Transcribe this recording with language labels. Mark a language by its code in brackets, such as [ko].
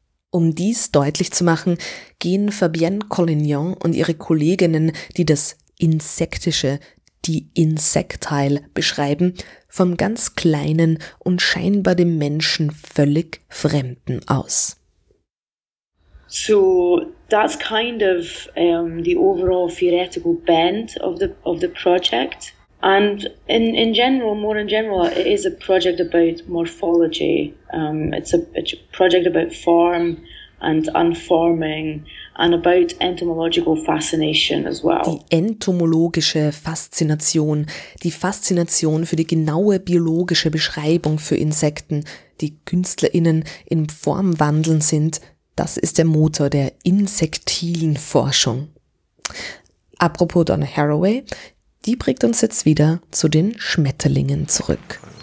[de] Um dies deutlich zu machen, gehen Fabienne Collignon und ihre Kolleginnen, die das Insektische, die Insectile beschreiben, vom ganz Kleinen und scheinbar dem Menschen völlig Fremden aus. [en] So, that's kind of the overall theoretical bend of the project. And in general, it is a project about morphology. It's a project about form and unforming, and about entomological fascination as well. [de] Die entomologische Faszination, die Faszination für die genaue biologische Beschreibung für Insekten, die KünstlerInnen im Formwandeln sind, das ist der Motor der insektilen Forschung. Apropos Donna Haraway, die bringt uns jetzt wieder zu den Schmetterlingen zurück.